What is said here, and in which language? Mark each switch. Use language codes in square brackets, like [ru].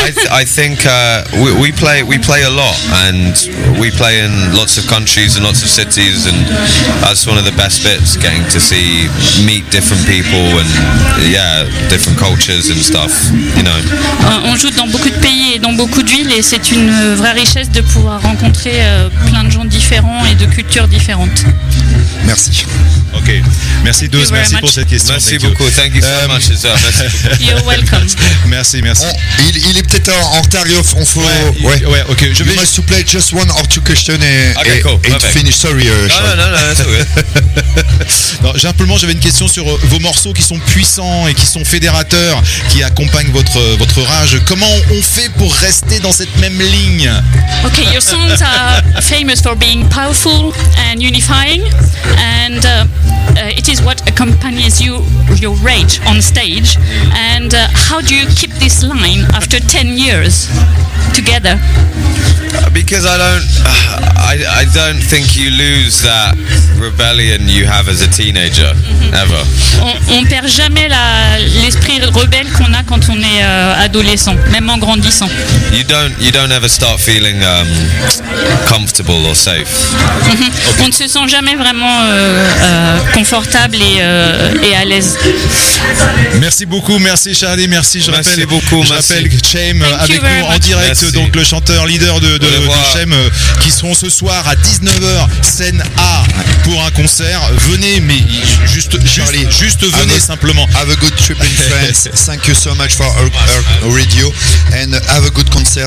[en] I think we play a lot, and we play in lots of countries and lots of cities, and that's one of the best bits, getting to meet different people and different cultures and stuff, you know. [fr] On joue dans beaucoup de pays et dans beaucoup de villes, et c'est une vraie richesse de pouvoir rencontrer plein de gens différents et de cultures différentes. Merci. Ok, merci Deux, merci pour cette question. Merci beaucoup, [en] thank you so much. You're welcome. [fr] Merci. Il est peut-être en retard, on faut... Ok, je vais... [en] Must play just one or two questions and finish, sorry. [fr] Non, simplement j'avais une question sur vos morceaux qui sont puissants et qui sont fédérateurs, qui accompagnent votre rage. Comment on fait pour rester dans cette même ligne? [en] Ok, your songs are famous for being powerful and unifying, and it is what accompanies you, your rage on stage, and how do you keep this line after 10 years together? Because I don't think you lose that rebellion you have as a teenager, ever. [fr] On perd jamais l'esprit rebelle qu'on a quand on est adolescent, même en grandissant. [en] You don't ever start feeling comfortable or safe. [fr] On ne se sent jamais vraiment confortable et à l'aise. Merci beaucoup, merci Charlie, merci. Je rappelle Shame avec nous en direct, merci. Donc le chanteur leader de Shame, qui seront ce soir à 19h scène A pour un concert. Venez, mais juste venez, simplement. [en] Have a good trip in France. Thank you so much for our radio and have a good concert.